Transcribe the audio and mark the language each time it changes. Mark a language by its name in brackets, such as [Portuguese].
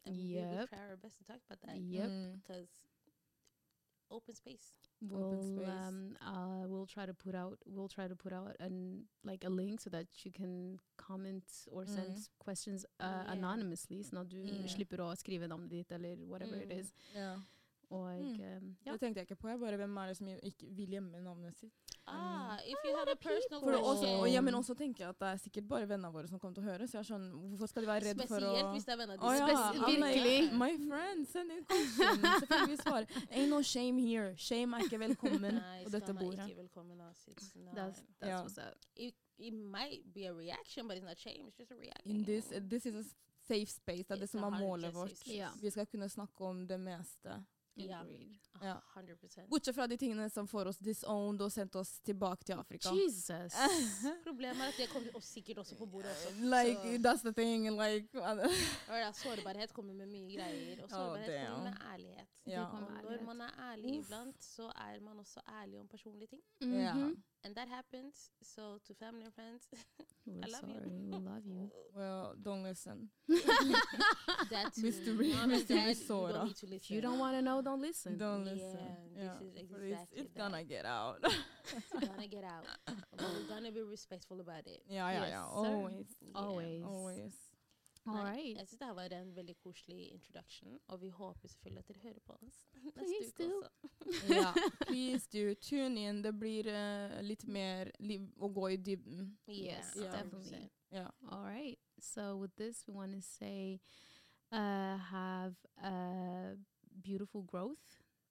[English] And we will try our best to talk about that. Because open space. We'll try to put out an like a link so that you can comment or send questions anonymously. [Norwegian] Så du slipper å skrive navnet ditt eller [English] whatever it is. [Norwegian] Det tenkte jeg ikke på. Jeg bare hvem er det som ikke vil gjemme navnet sitt? [English] If you had a personal question. [Norwegian] Også, og ja, men også tenker jeg at det er sikkert bare venner våre som kommer til å høre, så jeg skjønner, hvorfor skal de være redde for å... Spesielt hvis det er venner de. Virkelig. [English] My friend, send in question. [Norwegian] Så får vi svare. [English] Ain't no shame here. [Norwegian] Shame er ikke velkommen. Nei, dette bordet. Ikke velkommen. [English] That's It might be a reaction, but it's not shame. It's just a reaction. This is a safe space. [Norwegian] Det er det som er målet vårt. Vi skal kunne snakke om det meste. Ja, 100%. Bortsett fra de tingene som får oss disowned og sendt oss tilbake til Afrika. [English] Jesus! [Norwegian] Problemet er at det kommer sikkert også på bordet også. [English] Like, så. That's the thing. Like, [Norwegian] sårbarhet kommer med mye greier, og sårbarhet kommer med ærlighet. Når man er ærlig iblant, så er man også ærlig om personlige ting. [English] Mm-hmm. Yeah. And that happens, so to family and friends, we're I love sorry. You. We love you. Well, don't listen. That's true. Mystery Sora. If you don't want to know, don't listen. Don't listen. This is exactly gonna get out. It's gonna get out. But we're gonna be respectful about it. Yeah. Always. Always. All right. [Norwegian] Jeg synes dette var en veldig koselig introduction, og vi håper selvfølgelig at dere hører på oss. [English] Please do. Please do. Tune in. [Norwegian] Det blir litt mer å gå i dybden. [English] Yes, definitely. Yeah. All right. So with this, we want to say have a beautiful growth.